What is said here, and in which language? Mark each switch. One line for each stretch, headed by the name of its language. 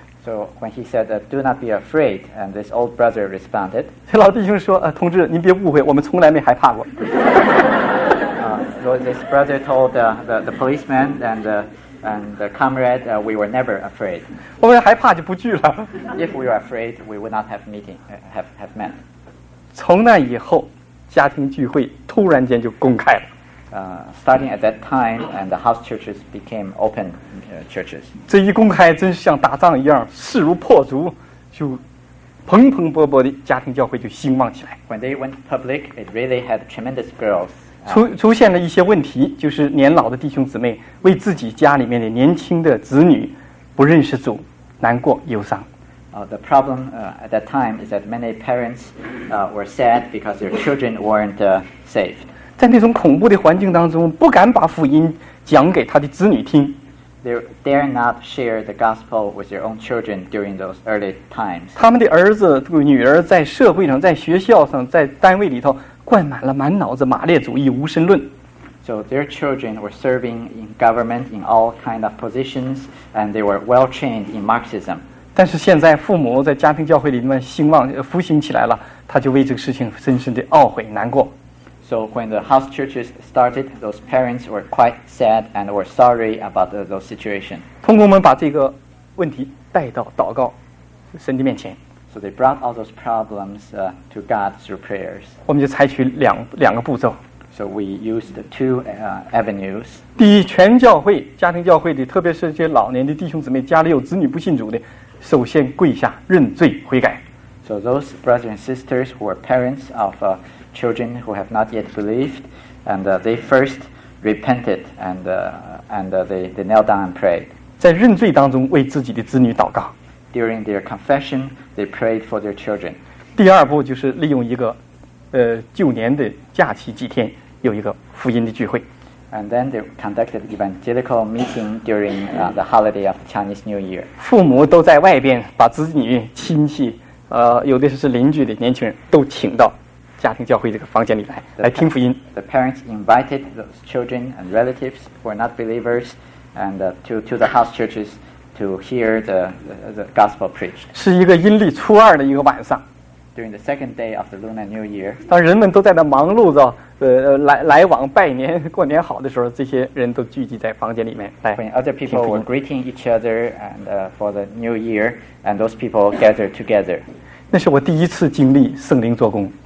English: So when he said, "Do not be afraid," and this old brother responded,
Chinese: 这老弟兄说，同志，您别误会，我们从来没害怕过。
English: So this brother told the policeman and the comrade, we were never afraid.
Chinese: 我们害怕就不聚了。
English: If we were afraid, we would not have meeting, have met.
Chinese: 从那以后，家庭聚会突然间就公开了。
English: Starting at that time, and the house churches became open churches.
Chinese: 这一公开，真是像打仗一样，势如破竹，就蓬蓬勃勃的家庭教会就兴旺起来。
English: When they went public, it really had tremendous growth.
Chinese: 出现了一些问题，就是年老的弟兄姊妹为自己家里面的年轻的子女不认识主，难过忧伤。
English: The problem at that time is that many parents were sad because their children weren't saved.
Chinese: 在那种恐怖的环境当中，不敢把福音讲给他的子女听。
English: They dare not share the gospel with their own children during those early times.
Chinese: 他们的儿子、女儿在社会上、在学校上、在单位里头。灌满了满脑子马列主义无神论。
English: So their children were serving in government in all kind of positions, and they were well trained in Marxism.
Chinese: 但是现在父母在家庭教会里面兴旺复兴起来了，他就为这个事情深深的懊悔难过。
English: So when the house churches started, those parents were quite sad and were sorry about those situation.
Chinese: 通工们把这个问题带到祷告神的面前。
English: So they brought all those problems to God through prayers.
Chinese: 我们就采取两个步骤。
English: So we used two avenues.
Chinese: 第一，全教会家庭教会的，特别是这些老年的弟兄姊妹，家里有子女不信主的，首先跪下认罪悔改。
English: So those brothers and sisters who are parents of children who have not yet believed, and they first repented and they knelt down and prayed.
Chinese: 在认罪当中为自己的子女祷告。
English: During their confession, they prayed for their children.
Chinese: 第二步就是利用一个，旧年的假期几天有一个福音的聚会。
English: And then they conducted evangelical meeting during the holiday of the Chinese New Year.
Chinese: 父母都在外边，把子女、亲戚，有的是邻居的年轻人都请到家庭教会这个房间里来，来听福音。
English: The parents invited those children and relatives who are not believers, and to the house churches. To hear the gospel preached.
Chinese: 是一个阴历初二的一个晚上。
English: During the second day of the Lunar New Year.
Chinese: 当人们都在那忙碌着，来往拜年、过年好的时候，这些人都聚集在房间里面来。
English: When other people were greeting each other and for the New Year, and those people gathered together.
Chinese: 那是我第一次经历圣灵做工。